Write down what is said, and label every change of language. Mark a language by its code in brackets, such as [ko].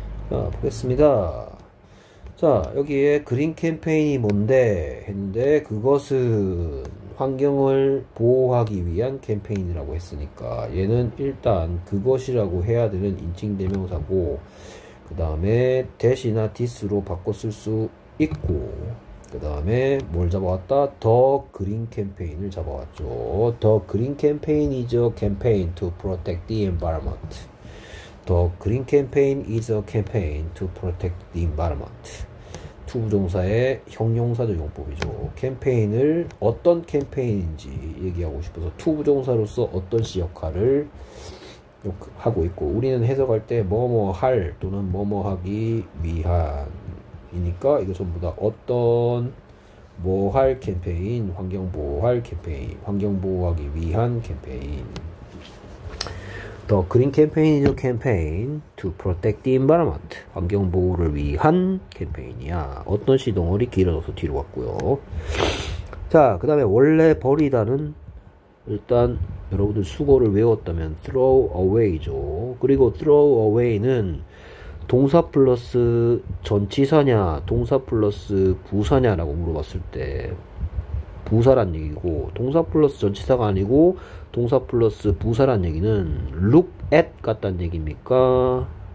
[ko] 자, 보겠습니다. 자, 여기에 그린 캠페인이 뭔데 했는데, 그것은 환경을 보호하기 위한 캠페인이라고 했으니까 얘는 일단 그것이라고 해야 되는 인칭 대명사고, 그 다음에 that이나 this로 바꿔 쓸수 있고, 그 다음에 뭘 잡아왔다? The Green Campaign을 잡아왔죠. [en] The Green Campaign is a campaign to protect the environment. The Green Campaign is a campaign to protect the environment. [ko] 투 부정사의 형용사적 용법이죠. 캠페인을 어떤 캠페인인지 얘기하고 싶어서 투 부정사로서 어떤 시 역할을 하고 있고, 우리는 해석할 때 뭐뭐 할 또는 뭐뭐 하기 위한이니까 이거 전부 다 어떤 뭐할 캠페인, 환경 보호할 캠페인, 환경 보호하기 위한 캠페인. [en] The Green Campaign is a campaign to protect the environment. [ko] 환경 보호를 위한 캠페인이야. 어떤 시 동어리 길어져서 뒤로 갔고요. 자, 그 다음에 원래 버리다는 일단 여러분들 수거를 외웠다면 throw away죠. 그리고 throw away는 동사 플러스 전치사냐, 동사 플러스 부사냐라고 물어봤을 때 부사란 얘기고, 동사 플러스 전치사가 아니고 동사 플러스 부사란 얘기는 look at 같단 얘기입니까?